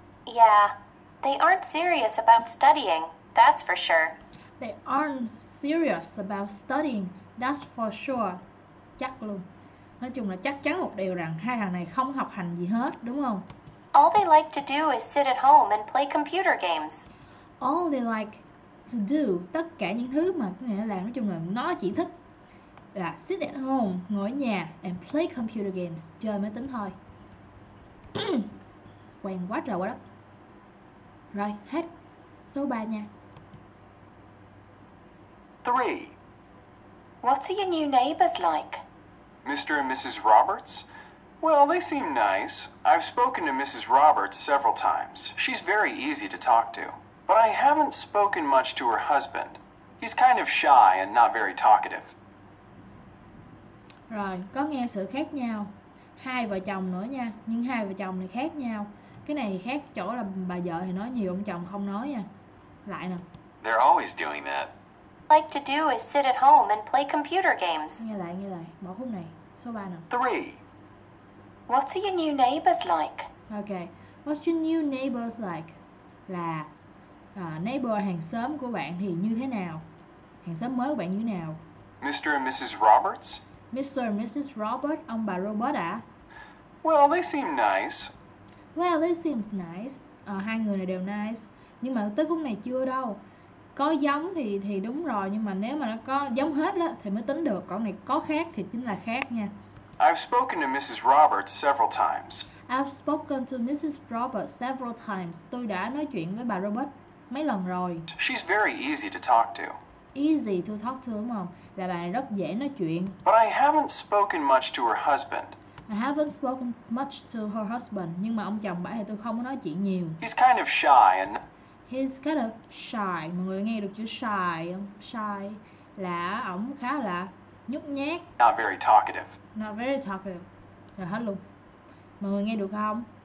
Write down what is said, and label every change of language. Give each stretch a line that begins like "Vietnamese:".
English: Yeah, they aren't serious about studying, that's for sure. They aren't serious about studying, that's for sure.
Vietnamese: Chắc luôn. Nói chung là chắc chắn một điều rằng hai thằng này không học hành gì hết, đúng không?
English: All they like to do is sit at home and play computer games. All they like to do,
Vietnamese: tất cả những thứ mà có nghĩa là nói chung là nó chỉ thích là
English: sit at home,
Vietnamese: ngồi nhà,
English: and play computer games,
Vietnamese: chơi máy tính thôi. Quen quá trời quá đất. Rồi, hết. Số 3 nha. 3.
English: What are your new neighbors like? Mr. and Mrs. Roberts? Well, they seem nice. I've spoken to Mrs. Roberts several times. She's very easy to talk to. But I haven't spoken much to her husband. He's kind of shy and not very talkative.
Vietnamese: Rồi, có nghe sự khác nhau. Hai vợ chồng nữa nha, nhưng hai vợ chồng này khác nhau. Cái này khác chỗ là bà vợ thì nói nhiều, ông chồng không nói nha. Lại nè.
English: They're always doing that. Like to do is sit at home and play computer games.
Vietnamese: Nghe lại, bỏ khúc này. Số 3 nè. 3.
English: What are your new neighbors like? Okay, what's your new neighbors like?
Vietnamese: Là neighbor hàng xóm của bạn thì như thế nào? Hàng xóm mới của bạn như thế nào?
English: Mr. and Mrs. Roberts? Mr. and Mrs. Robert,
Vietnamese: ông bà Robert à?
English: Well, they seem nice. Well, they seem nice.
Vietnamese: Hai người này đều nice. Nhưng mà tới khúc này chưa đâu. Có giống thì đúng rồi, nhưng mà nếu mà nó có giống hết đó, thì mới tính được. Còn này có khác thì chính là khác nha.
English: I've spoken to Mrs. Roberts several times. I've spoken to Mrs. Roberts several times.
Vietnamese: Tôi đã nói chuyện với bà Robert mấy lần rồi.
English: She's very easy to talk to. Easy to talk to,
Vietnamese: đúng không? Là bà này rất dễ nói chuyện.
English: But I haven't spoken much to her husband. I haven't spoken much to her husband.
Vietnamese: Nhưng mà ông chồng bà thì tôi không có nói chuyện nhiều.
English: He's kind of shy and... He's kind of shy.
Vietnamese: Mọi người nghe được chữ shy không? Shy là ổng khá là nhút nhát.
English: Not very talkative. Not very talkative.
Vietnamese: Rồi hết luôn. Mọi người nghe được không?